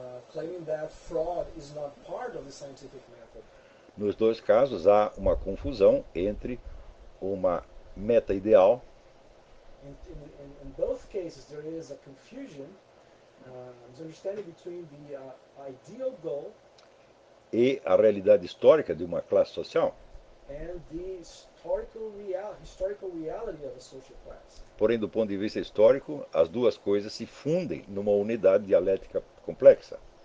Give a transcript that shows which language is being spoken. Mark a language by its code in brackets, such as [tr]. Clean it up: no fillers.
[en] Claiming that fraud is not part of the scientific method. [pt] Nos dois casos há uma confusão entre uma meta ideal. [en] In both cases there is a confusion, understanding between the ideal goal [pt] e a realidade histórica de uma classe social. [en] And the historical reality of a social class. [pt] Porém, do ponto de vista histórico, as duas coisas se fundem numa unidade dialética complexa.